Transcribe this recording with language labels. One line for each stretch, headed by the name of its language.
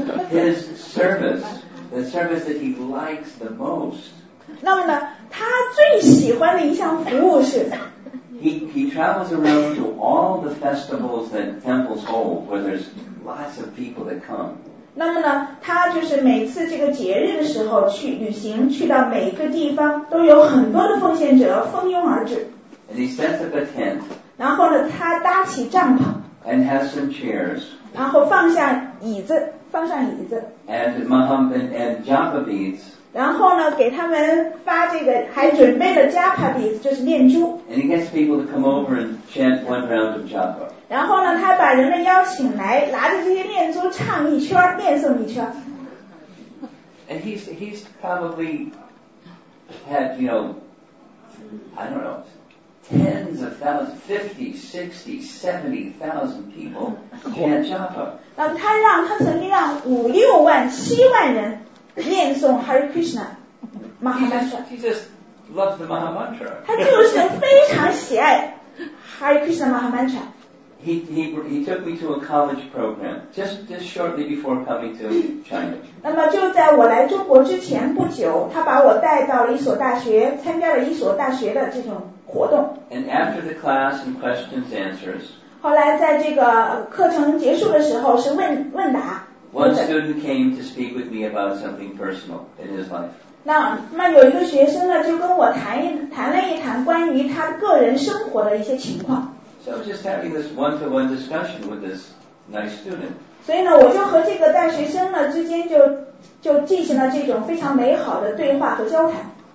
English: His service, the service that he likes the most.
Chinese: 那么呢，他最喜欢的一项服务是。
English: He travels around to all the festivals that temples hold, where there's lots of people that come.
Chinese: 那么呢，他就是每次这个节日的时候去旅行，去到每个地方都有很多的奉献者蜂拥而至。
English: And he sets up a tent.
Chinese: 然后呢，他搭起帐篷。
English: And has some chairs.
Chinese: 然后放上椅子。
English: And Mahamantra and Japa beads.
Chinese: 然后呢，给他们发这个，还准备了japa beads，就是念珠。
English: And he gets people to come over and chant one round of japa.
Chinese: 然后呢，他把人们邀请来，拿着这些念珠唱一圈，念诵一圈。
English: And he's probably had, you know, I don't know, tens of thousands, 50, 60, 70,000 people chant japa.
Chinese: 那么他曾经让五六万、七万人。念诵 Hare Krishna Mahamantra.
English: He just loves the Mahamantra.
Chinese: 他就是非常喜爱 Hare Krishna Mahamantra.
English: He took me to a college program just shortly before coming to China.
Chinese: 那么就在我来中国之前不久，他把我带到了一所大学，参加了一所大学的这种活动。
English: And after the class and questions answers.
Chinese: 后来在这个课程结束的时候是问答。
English: One student came to speak with me about something personal in his life.
Chinese: 那有一个学生呢，就跟我谈了一谈关于他个人生活的一些情况。
English: So just having this one-to-one discussion with this nice student.
Chinese: 所以呢，我就和这个大学生呢之间就进行了这种非常美好的对话和交谈。